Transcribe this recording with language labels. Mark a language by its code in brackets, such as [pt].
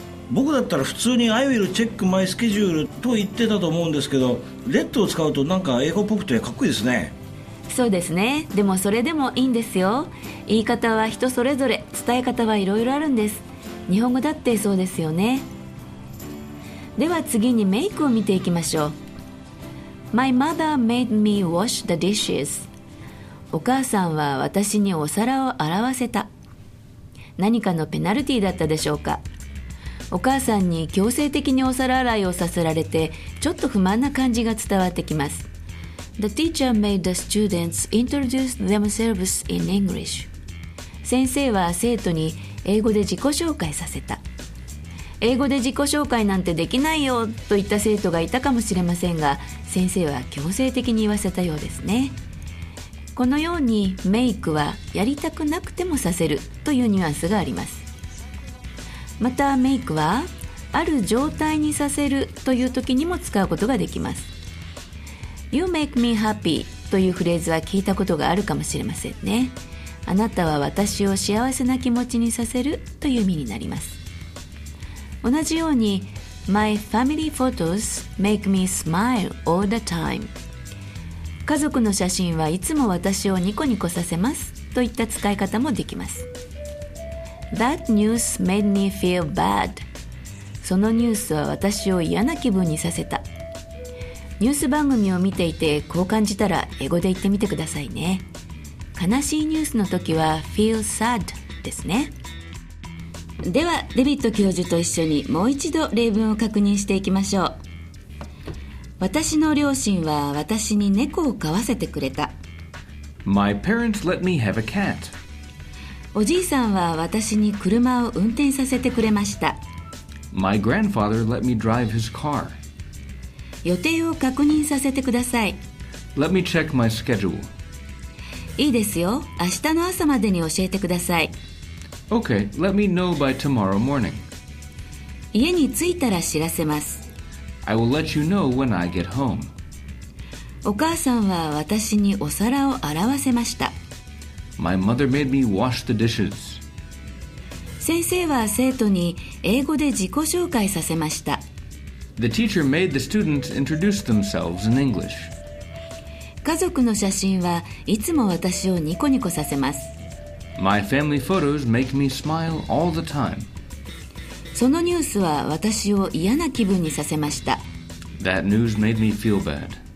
[ja] 僕だったら普通に [en] I will check my schedule [ja] と言ってたと思うんですけど、 let を使うとなんか英語っぽくてかっこいいですね。そうですね。でもそれでもいいんですよ。言い方は人それぞれ、伝え方はいろいろあるんです。日本語だってそうですよね。では次にメイクを見ていきましょう。 [en] My mother made me wash the dishes。 [ja] お母さんは私にお皿を洗わせた。何かのペナルティーだったでしょうか。お母さんに強制的にお皿洗いをさせられて、ちょっと不満な感じが伝わってきます。 [en] The teacher made the students introduce themselves in English。 [ja] 先生は生徒に英語で自己紹介させた。英語で自己紹介なんてできないよと言った生徒がいたかもしれませんが、先生は強制的に言わせたようですね。このようにメイクはやりたくなくてもさせるというニュアンスがあります。またメイクはある状態にさせるという時にも使うことができます。 [en] You make me happy [ja] というフレーズは聞いたことがあるかもしれませんね。あなたは私を幸せな気持ちにさせるという意味になります。同じように [en] My family photos make me smile all the time。 [ja] 家族の写真はいつも私をニコニコさせますといった使い方もできます。 [en] That news made me feel bad。 [ja] そのニュースは私を嫌な気分にさせた。ニュース番組を見ていてこう感じたら英語で言ってみてくださいね。悲しいニュースの時は feel sad ですね。ではデビッド教授と一緒にもう一度例文を確認していきましょう。私の両親は私に猫を飼わせてくれた。 [en] My parents let me have a cat。 [ja] おじいさんは私に車を運転させてくれました。 [en] My grandfather let me drive his car. [ja] 予定を確認させてください。 [en] Let me check my schedule. [ja] いいですよ。明日の朝までに教えてください。 [en] Okay, let me know by tomorrow morning. [ja] 家に着いたら知らせます。 [en] I will let you know when I get home. [ja] お母さんは私にお皿を洗わせました。 [en] My mother made me wash the dishes. [ja] 先生は生徒に英語で自己紹介させました。 [en] The teacher made the students introduce themselves in English. [ja] 家族の写真はいつも私をニコニコさせます。 [en] My family photos make me smile all the time. [ja] そのニュースは私を嫌な気分にさせました。 [en] That news made me feel bad.